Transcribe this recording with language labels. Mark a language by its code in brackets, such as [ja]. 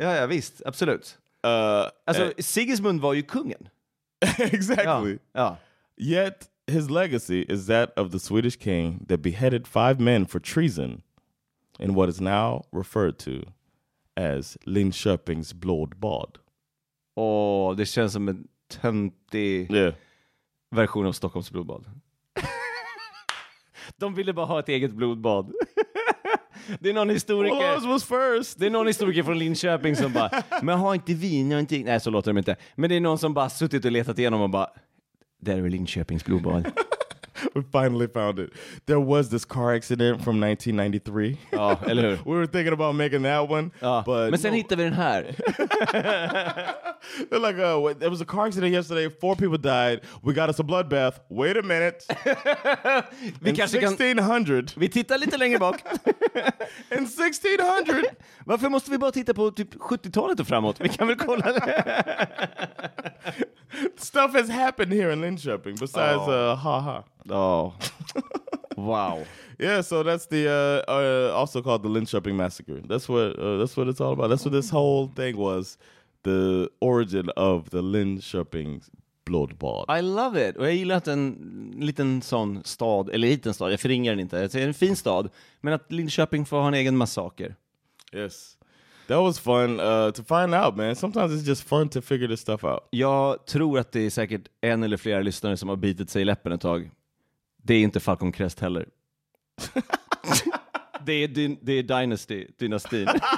[sv] Ja, ja, visst. Absolut. Sigismund var ju kungen. [en] Exactly. [sv] Ja, ja. [en] Yet, his legacy is that of the Swedish king that beheaded 5 men for treason in what is now referred to as Linköpings Blodbad. [sv] Åh, det känns som en töntig version av Stockholms blodbad. De ville bara ha ett eget blodbad. Det är någon historiker. [en] Well, ours was first. [sv] Det är någon historiker från Linköping som bara, men har inte vi någonting? Nej, så låter de inte. Men det är någon som bara suttit och letat igenom och bara, där är Linköpings blodbad. [en] We finally found it. There was this car accident from 1993. [sv] Ja, eller hur? [en] We were thinking about making that one. Ja, but [sv] men sen no. Hittade vi den här. [en] They're like, oh, there was a car accident yesterday. 4 people died. We got us a bloodbath. Wait a minute. [sv] Vi kanske kan... [en] 1600. [sv] Vi tittar lite längre bak. [en] In 1600. [sv] Varför måste vi bara titta på typ 70-talet och framåt? Vi kan väl kolla det. [en] Stuff has happened here in Linköping besides haha. Oh, wow. Yeah, so that's the also called the Linköping Massacre. That's what it's all about. That's what this whole thing was. The origin of the Linköping Blodbad. I love it. [sv] Och jag gillar att en liten sån stad, eller liten stad, jag förringar den inte. Det är en fin stad, men att Linköping får ha en egen massaker. [en] Yes. That was fun to find out, man. Sometimes it's just fun to figure this stuff out. [sv] Jag tror att det är säkert en eller flera lyssnare som har bitit sig i läppen ett tag. Det är inte Falcon Crest heller. Det är Dynasty, dynastin.